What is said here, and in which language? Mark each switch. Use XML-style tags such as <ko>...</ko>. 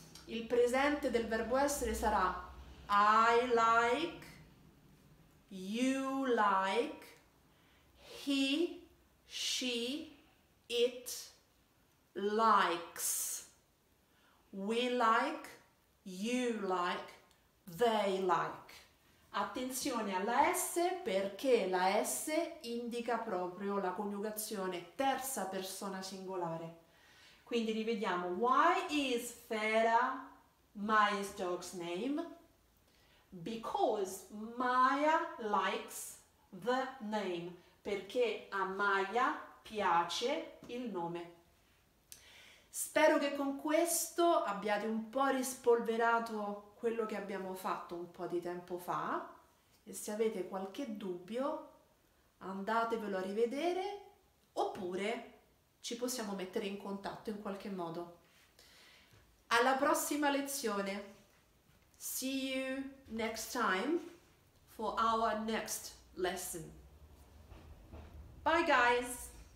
<it>il presente del verbo essere sarà</it> <en>I like, you like, he, she, it, likes, we like, you like, they like.</en> <it>Attenzione alla S perché la S indica proprio la coniugazione terza persona singolare. Quindi rivediamo.</it> <en>Why is Fera Maya's dog's name? Because Maya likes the name.</en> <it>Perché a Maya piace il nome. Spero che con questo abbiate un po' rispolverato quello che abbiamo fatto un po' di tempo fa. E se avete qualche dubbio, andatevelo a rivedere oppure ci possiamo mettere in contatto in qualche modo. Alla prossima lezione.</it> <en>See you next time for our next lesson. Bye guys!</en>